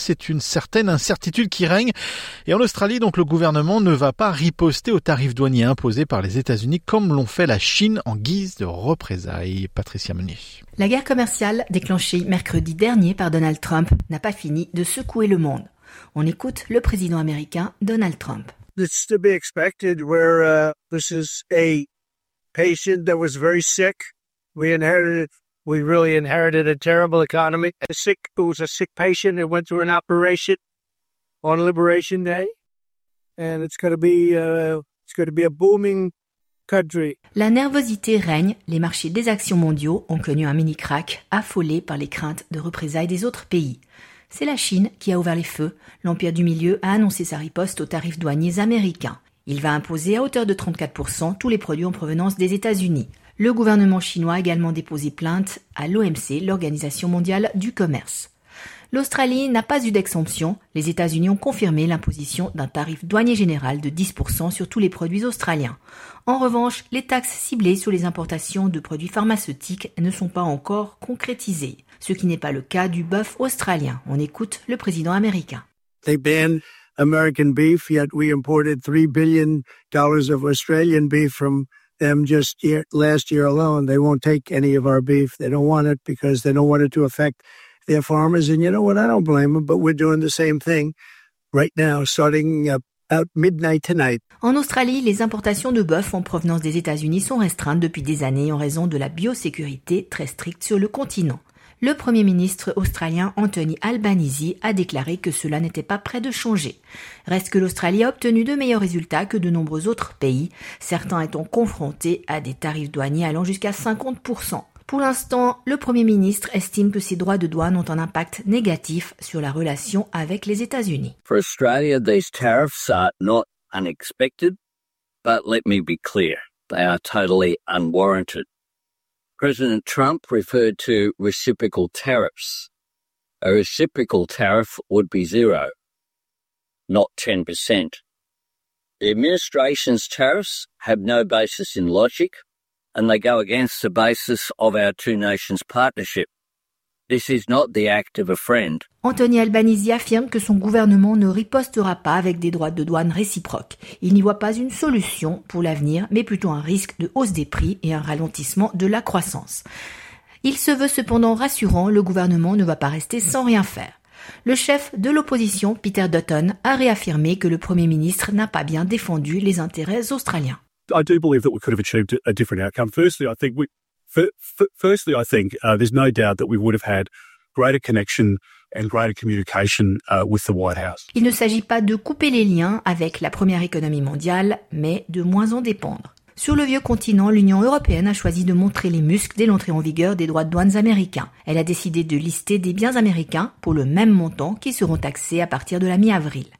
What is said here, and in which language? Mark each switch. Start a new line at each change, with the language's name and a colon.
French: C'est une certaine incertitude qui règne. Et en Australie, donc, le gouvernement ne va pas riposter aux tarifs douaniers imposés par les États-Unis comme l'ont fait la Chine en guise de représailles. Patricia Meunier. La guerre commerciale déclenchée mercredi dernier par Donald Trump n'a pas fini de secouer le monde. On écoute le président américain Donald Trump.
English: It's to be expected. This is a patient that was very sick. We really inherited a terrible economy. It was a sick patient. It went through an operation on Liberation Day, and it's going to be a booming country.
French: La nervosité règne. Les marchés des actions mondiaux ont connu un mini crack, affolés par les craintes de représailles des autres pays. C'est la Chine qui a ouvert les feux. L'Empire du Milieu a annoncé sa riposte aux tarifs douaniers américains. Il va imposer à hauteur de 34% tous les produits en provenance des États-Unis. Le gouvernement chinois a également déposé plainte à l'OMC, l'Organisation mondiale du commerce. L'Australie n'a pas eu d'exemption. Les États-Unis ont confirmé l'imposition d'un tarif douanier général de 10% sur tous les produits australiens. En revanche, les taxes ciblées sur les importations de produits pharmaceutiques ne sont pas encore concrétisées, ce qui n'est pas le cas du bœuf australien. On écoute le président américain.
English: They ban American beef, yet we imported $3 billion of Australian beef from them just last year alone. They won't take any of our beef. They don't want it because they don't want it to affect their farmers. And you know what? I don't blame them, but we're doing the same thing right now, starting about midnight tonight.
French: En Australie, les importations de bœuf en provenance des États-Unis sont restreintes depuis des années en raison de la biosécurité très stricte sur le continent. Le Premier ministre australien Anthony Albanese a déclaré que cela n'était pas prêt de changer. Reste que l'Australie a obtenu de meilleurs résultats que de nombreux autres pays, certains étant confrontés à des tarifs douaniers allant jusqu'à 50%. Pour l'instant, le Premier ministre estime que ces droits de douane ont un impact négatif sur la relation avec les États-Unis.
English: For Australia, these tariffs are not unexpected, but let me be clear, they are totally unwarranted. President Trump referred to reciprocal tariffs. A reciprocal tariff would be zero, not 10%. The administration's tariffs have no basis in logic, and they go against the basis of our two nations partnership. This is not the act of a friend.
French: Anthony Albanese affirme que son gouvernement ne ripostera pas avec des droits de douane réciproques. Il n'y voit pas une solution pour l'avenir, mais plutôt un risque de hausse des prix et un ralentissement de la croissance. Il se veut cependant rassurant, le gouvernement ne va pas rester sans rien faire. Le chef de l'opposition, Peter Dutton, a réaffirmé que le Premier ministre n'a pas bien défendu les intérêts australiens.
English: I do believe that we could have achieved a different outcome. Firstly, I think there's no doubt that we would have had greater connection and greater communication with the White House.
French: Il ne s'agit pas de couper les liens avec la première économie mondiale, mais de moins en dépendre. Sur le vieux continent, l'Union européenne a choisi de montrer les muscles dès l'entrée en vigueur des droits de douane américains. Elle a décidé de lister des biens américains pour le même montant qui seront taxés à partir de la mi-avril.